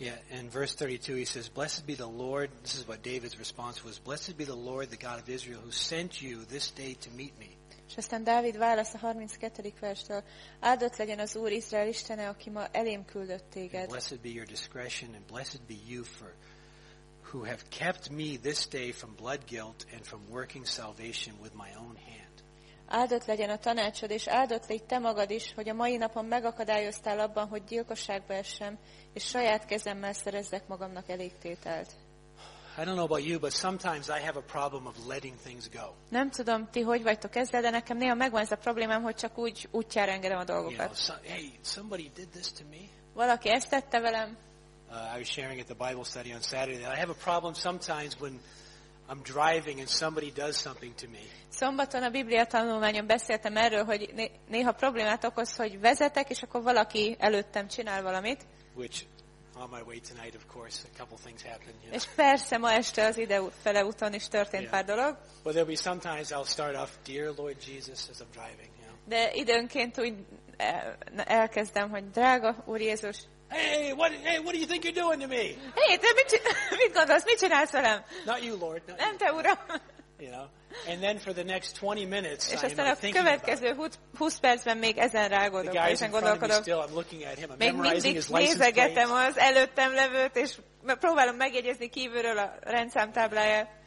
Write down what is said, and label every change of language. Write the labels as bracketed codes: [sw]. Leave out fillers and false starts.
[en] In verse 32 he says, "Blessed be the Lord," this is what David's response was, "Blessed be the Lord, the God of Israel, who sent you this day to meet me." [hu] És aztán Dávid válasz a 32. verstől, áldott legyen az Úr Izrael Istene, aki ma elém küldött téged. [en] And blessed be your discretion, and blessed be you for who have kept me this day from blood guilt and from working salvation with my own hand. [hu] Áldott legyen a tanácsod, és áldott légy te magad is, hogy a mai napon megakadályoztál abban, hogy gyilkosságba essem, és saját kezemmel szerezzek magamnak elégtételt. [en] I don't know about you, but sometimes I have a problem of letting things go. [hu] Nem tudom, ti hogy vagytok ezzel, de nekem néha megvan ez a problémám, hogy csak úgy útjára engedem a dolgokat. [en] Hey, somebody did this to me. [hu] Valaki ezt tette velem. [en] I was sharing at the Bible study on Saturday. I have a problem sometimes when I'm driving and somebody does something to me. [hu] Szombaton a Biblia tanulmányon beszéltem erről, hogy néha problémát okoz, hogy vezetek, és akkor valaki előttem csinál valamit. [en] Which on my way tonight, of course, a couple things happen. You know. [hu] És persze ma este az ide fele úton is történt pár dolog. [en] But there'll be sometimes I'll start off, "Dear Lord Jesus," as I'm driving. You know. [hu] De időnként úgy elkezdem, hogy drága Úr Jézus. [en] Hey, what do you think you're doing to me? [hu] Hey, te mit gondolsz, mit csinálsz velem? [en] Not you, Lord. Not [hu] nem te, Uram. [en] You know. And then for the next 20 minutes, [hu] és aztán a következő 20 percben még ezen rágódok, ezen gondolkodok. [en] Still, I'm looking at him. I'm [hu] még mindig nézegetem az előttem levőt, és próbálom megjegyezni kívülről a rendszám tábláját.